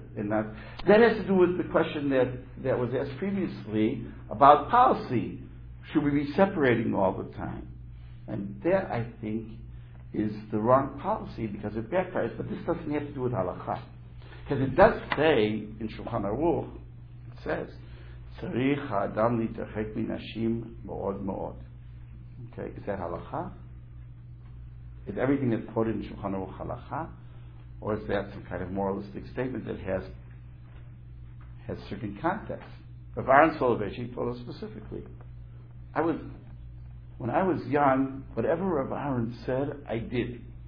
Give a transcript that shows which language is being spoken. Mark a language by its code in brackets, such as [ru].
[en] That has to do with the question that was asked previously about policy. Should we be separating all the time? And that, I think, is the wrong policy because it backfires. But this doesn't have to do with halakha. Because it does say, in Shulchan Aruch, it says, [he] צריך האדם להתרחק מנשים מאוד מאוד. [en] Okay, is that halacha? Is everything that's put in Shulchan Aruch halacha? Or is that some kind of moralistic statement that has certain context? Rav Aaron Soloveitchik told us specifically. When I was young, whatever Rav Aaron said, I did.